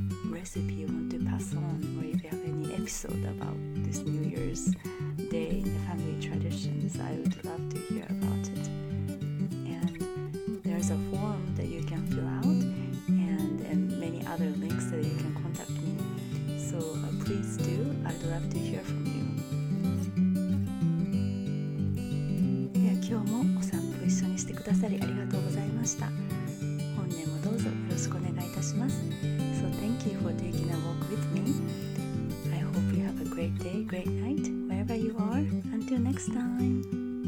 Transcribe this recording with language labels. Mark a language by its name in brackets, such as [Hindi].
[English] Recipe you want to pass on, or if you have any episode about this New Year's Day in the family traditions, I would love to hear about it. And there's a form that you can fill out, and many other links that you can contact me. So please do, I'd love to hear from you. [Japanese] では今日もお散歩一緒にしてくださりありがとうございました。本年もどうぞよろしくお願いいたします。 [English] Thank you for taking a walk with me. I hope you have a great day, great night, wherever you are. Until next time.